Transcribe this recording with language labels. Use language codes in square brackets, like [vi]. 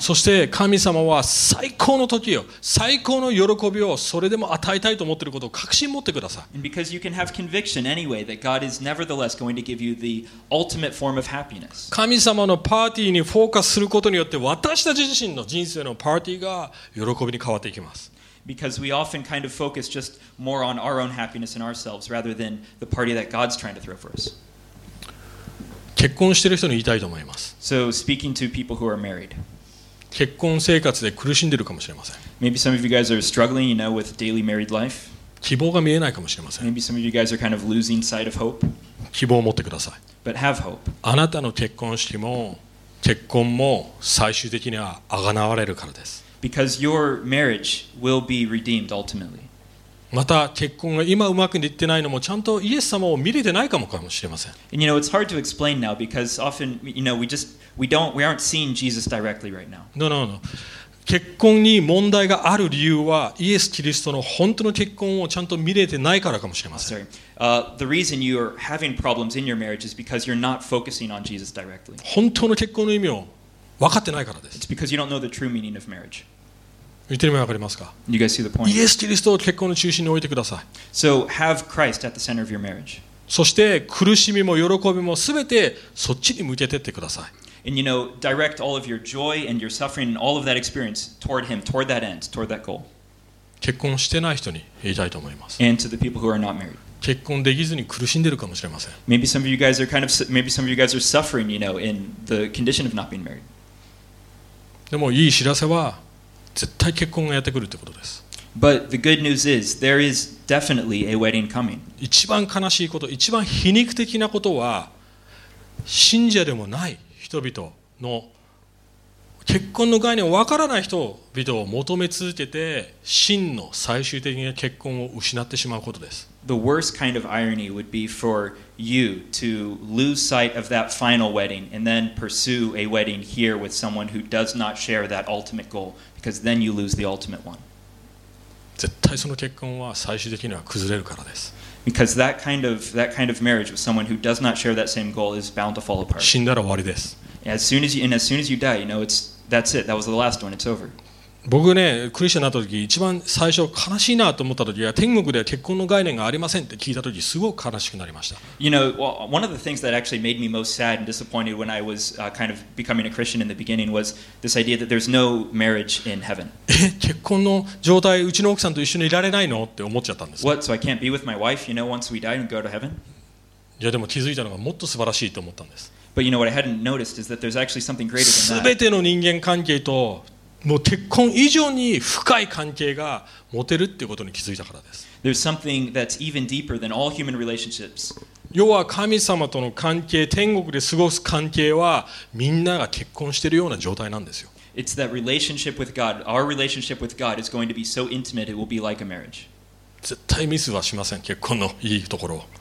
[ja] そして神様は最高の時を、最高の喜びをそれでも与えたいと思っていることを確信持ってください。 [en] And because you can have conviction anyway that God is nevertheless going to give you the ultimate form of happiness. [ja] 神様のパーティーにフォーカスすることによって私たち自身の人生のパーティーが喜びに変わっていきます。 [en] Because we often kind of focus just more on our own happiness and ourselves rather than the party that God's trying to throw for us. [ja] 結婚してる人に言いたいと思います。 [en] So, speaking to people who are married. [ja] 結婚生活で苦しんでるかもしれません。 [en] Maybe some of you guys are struggling, you know, with daily married life. [ja] 希望が見えないかもしれません。 [en] Maybe some of you guys are kind of losing sight of hope. [ja] 希望を持ってください。 [en] But have hope. [ja] あなたの結婚式も結婚も最終的には贖われるからです。 [en] Because your marriage will be redeemed ultimately. [ja] また結婚が今うまくいってないのもちゃんとイエス様を見れてないかもかもしれません。 [en] And you know, it's hard to explain now because often, you know, we aren't seeing Jesus directly right now. No. [ja] 結婚に問題がある理由はイエス・キリストの本当の結婚をちゃんと見れてないからかもしれません。 [en] Sorry. The reason you are having problems in your marriage is because you're not focusing on Jesus directly. [ja] 本当の結婚の意味を分かってないからです。 [en] It's because you don't know the true meaning of marriage. [ja] 言ってる意味わかりますか？ [en] You guys see the point. [ja] イエス・キリストを結婚の中心に置いてください。 [en] So have Christ at the center of your marriage. [ja] そして苦しみも喜びもすべてそっちに向けてってください。 [en] And you know, direct all of your joy and your suffering and all of that experience toward him, toward that end, toward that goal. [ja] 結婚してない人に言いたいと思います。 [en] And to the people who are not married. [ja] 結婚できずに苦しんでるかもしれません。 [en] Maybe some of you guys are kind of maybe some of you guys are suffering, you know, in the condition of not being married. [ja] でもいい知らせは絶対結婚がやってくるってことです。 [en] But the good news is, there is definitely a wedding coming. [ja] 一番悲しいこと、一番皮肉的なことは、信者でもない人々の結婚の概念をわからない人々を求め続けて、真の最終的な結婚を失ってしまうことです。 [en] The worst kind of irony would be for you to lose sight of that final wedding and then pursue a wedding here with someone who does not share that ultimate goal, because then you lose the ultimate one. [ja] 絶対その結婚は最終的には崩れるからです。 [en] Because that kind of marriage with someone who does not share that same goal is bound to fall apart. [ja] 死んだら終わりです。 [en] As soon as you die, you know, that's it. That was the last one. It's over. [ja] 僕ね、クリスチャンになった時、一番最初悲しいなと思った時は、天国では結婚の概念がありませんって聞いた時、すごく悲しくなりました。 [en] You know, well, one of the things that actually made me most sad and disappointed when I was kind of becoming a Christian in the beginning was this idea that there's no marriage in heaven. [ja] 結婚の状態、うちの奥さんと一緒にいられないのって思っちゃったんです。 [en] What? So I can't be with my wife, you know, once we die and go to heaven? [ja] いやでも気づいたのがもっと素晴らしいと思ったんです。 [en] But you know what I hadn't noticed is that there's actually something greater than that. [ja] 全ての人間関係と、もう結婚以上に深い関係が持てるっていうことに気づいたからです。 [en] There's something that's even deeper than all human relationships. [ja] 要は神様との関係、天国で過ごす関係はみんなが結婚してるような状態なんですよ。 [en] It's that relationship with God. Our relationship with God is going to be so intimate it will be like a marriage. [ja] 絶対ミスはしません、結婚のいいところを。